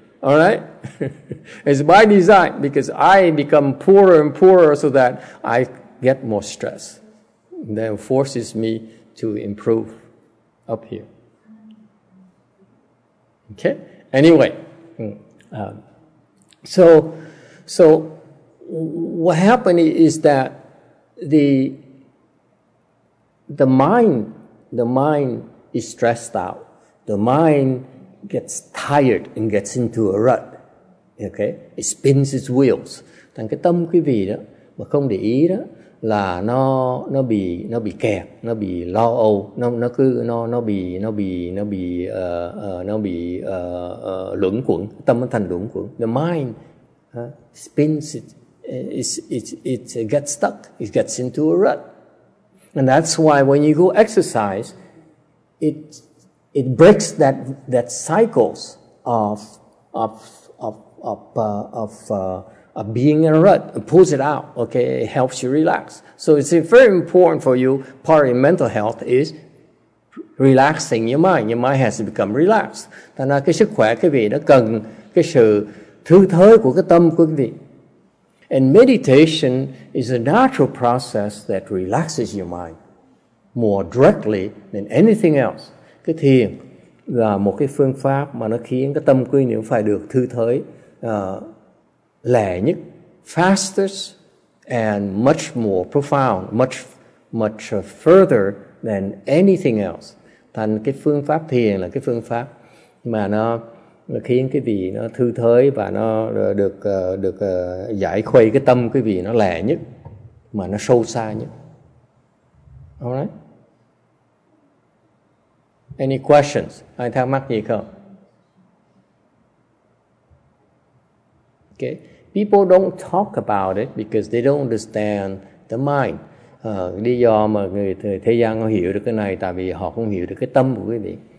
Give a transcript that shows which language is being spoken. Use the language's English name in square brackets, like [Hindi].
[English] All right? It's by design, because I become poorer and poorer so that I get more stress. That forces me to improve up here. Okay? Anyway, so what happened is that the mind is stressed out. The mind gets tired and gets into a rut. Okay? It spins its wheels. [Vietnamese] Thành cái tâm quý vị đó mà không để ý đó là nó bị kẹt, nó bị lo âu, nó bị luẩn quẩn, tâm nó thành luẩn quẩn. [English] The mind spins it gets stuck, it gets into a rut. And that's why when you go exercise, it breaks that cycles of being in a rut, it pulls it out, okay, it helps you relax. So it's very important for you, part of mental health is relaxing your mind has to become relaxed. [Vietnamese] Thành ra cái sức khỏe quý vị nó cần cái sự thư thới của cái tâm quý vị. [English] And meditation is a natural process that relaxes your mind more directly than anything else. [Vietnamese] Cái thiền là một cái phương pháp mà nó khiến cái tâm quý vị phải được thư thới lẹ nhất, [English] fastest and much more profound, much much further than anything else. [Vietnamese] Thành cái phương pháp thiền là cái phương pháp mà nó khiến cái vị nó thư thới và nó được giải khuây cái tâm cái vị nó lẹ nhất mà nó sâu xa nhất. [English] All right. Any questions? [Vietnamese] Ai thắc mắc gì không? [English] Okay. People don't talk about it because they don't understand the mind. [Vietnamese] Lý do mà người thế gian không hiểu được cái này tại vì họ không hiểu được cái tâm của quý vị.